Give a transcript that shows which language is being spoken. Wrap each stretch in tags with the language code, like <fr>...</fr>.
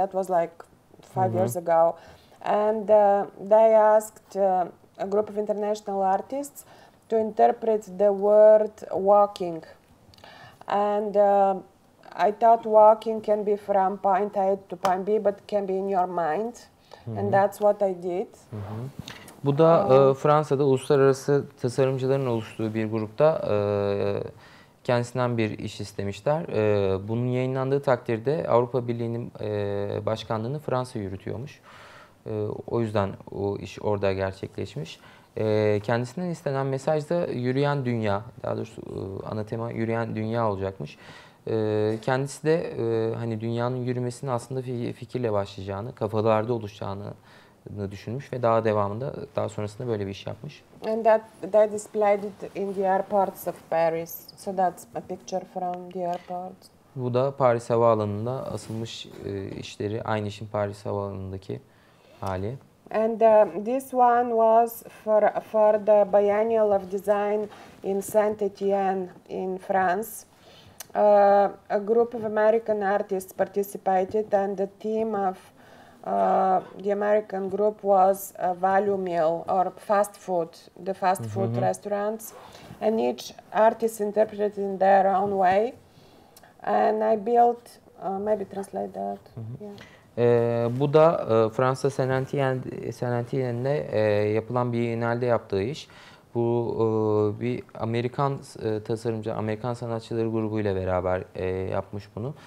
<en>That was like five years ago. And they asked a group of international artists to interpret the word walking. And I thought walking can be from point A to point B, but can be in your mind. And that's what I did.</en> <tr>Bu da Fransa'da uluslararası tasarımcıların oluştuğu bir grupta kendisinden bir iş istemişler. Bunun yayınlandığı takdirde Avrupa Birliği'nin başkanlığını Fransa yürütüyormuş. O yüzden o iş orada gerçekleşmiş. Kendisinden istenen mesaj da yürüyen dünya, daha doğrusu ana tema yürüyen dünya olacakmış. Kendisi de hani dünyanın yürümesinin aslında fikirle başlayacağını, kafalarda oluşacağını düşünmüş ve daha devamında, daha sonrasında böyle bir iş yapmış.</tr> <en>And that displayed it in the airports of Paris. So that's a picture from the airport.</en> <tr>Bu da Paris Havaalanı'nda asılmış işleri, aynı işin Paris Havaalanı'ndaki hali.</tr> <en>And this one was for the Biennial of Design in Saint-Étienne in France. A group of American artists participated, and the theme of the American group was a value meal or fast food, the fast food mm-hmm. restaurants. And each artist interpreted in their own way. And I built, maybe translate that. Mm-hmm. Yeah.</en> <tr>Bu da Fransa Saint-Étienne'de yapılan bir Biennale'de yaptığı iş. Bu bir Amerikan tasarımcı, Amerikan sanatçıları grubuyla beraber yapmış bunu.</tr>